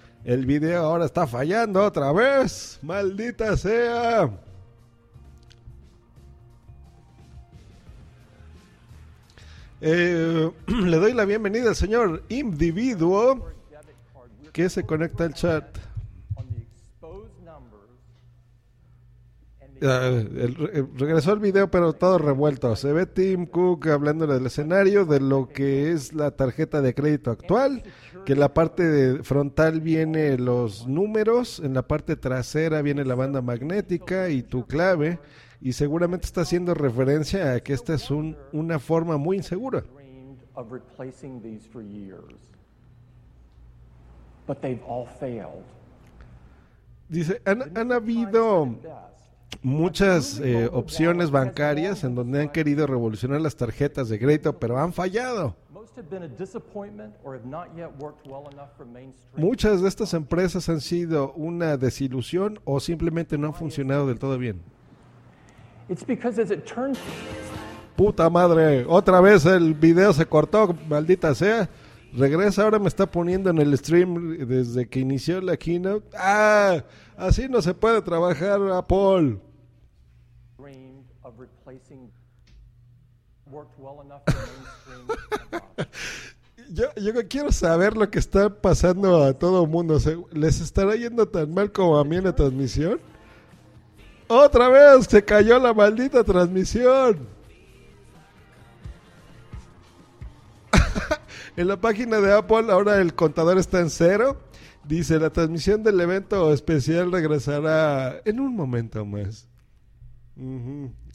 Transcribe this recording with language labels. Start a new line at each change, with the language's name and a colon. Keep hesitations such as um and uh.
Spanish: El video ahora está fallando otra vez. Maldita sea. Eh, le doy la bienvenida al señor individuo que se conecta al chat.
English: on the exposed numbers and the
Spanish: Ah, el- el- regresó el video, pero todo revuelto. Se ve Tim Cook hablando del escenario, de lo que es la tarjeta de crédito actual, que en la parte de- frontal viene los números, en la parte trasera viene la banda magnética y tu clave, y seguramente está haciendo referencia a que esta es un- una forma muy insegura.
English: dreamed of replacing these for years. But they've all failed.
Spanish: Dice, han, han habido
English: Best.
Spanish: muchas eh, opciones bancarias en donde han querido revolucionar las tarjetas de crédito, pero han fallado.
English: Most have been a disappointment or have not yet worked well enough for mainstream.
Spanish: Muchas de estas empresas han sido una desilusión o simplemente no han funcionado del todo bien.
English: It's because as it turns
Spanish: Puta madre, otra vez el video se cortó, maldita sea. Regresa, ahora me está poniendo en el stream desde que inició la keynote. ¡Ah! Así no se puede trabajar, Apple.
English: dreamed of replacing worked well enough for mainstream.
Spanish: Yo, yo no quiero saber lo que está pasando a todo el mundo. Se- ¿Les estará yendo tan mal como a mí en la transmisión? ¡Otra vez! ¡Se cayó la maldita transmisión! en la página de Apple ahora el contador está en cero. Dice, la transmisión del evento especial regresará en un momento más. Ujú.